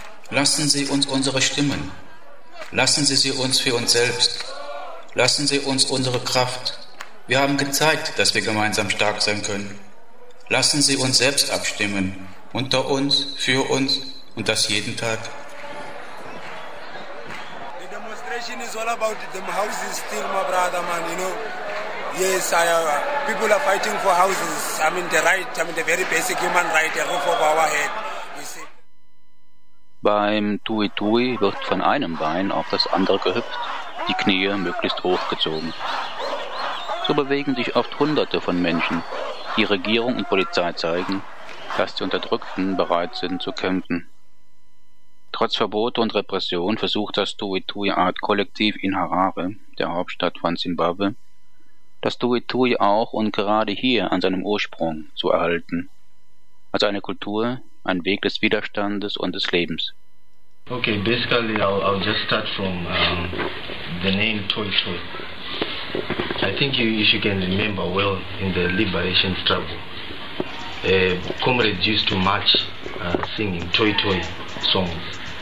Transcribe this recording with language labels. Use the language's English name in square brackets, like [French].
[German] Lassen Sie uns unsere Stimmen. Lassen Sie sie uns für uns selbst. Lassen Sie uns unsere Kraft. Wir haben gezeigt, dass wir gemeinsam stark sein können. Lassen Sie uns selbst abstimmen. Unter uns, für uns und das jeden Tag. [English] The demonstration is all about the houses still, my brother, man, you know. Yes, people are fighting for houses. I mean, the right, I mean, the very basic human right, the roof over our head. [German] Beim Tui-Tui wird von einem Bein auf das andere gehüpft, die Knie möglichst hochgezogen. So bewegen sich oft Hunderte von Menschen, die Regierung und Polizei zeigen, dass die Unterdrückten bereit sind zu kämpfen. Trotz Verbote und Repression versucht das Tui-Tui-Art-Kollektiv in Harare, der Hauptstadt von Simbabwe, das Tui-Tui auch und gerade hier an seinem Ursprung zu erhalten. Also eine Kultur, ein Weg des Widerstandes und des Lebens. [English] Okay, basically I'll just start from the name Tui Tui. I think you can remember well in the liberation struggle. Comrades used to march singing Tui Tui songs.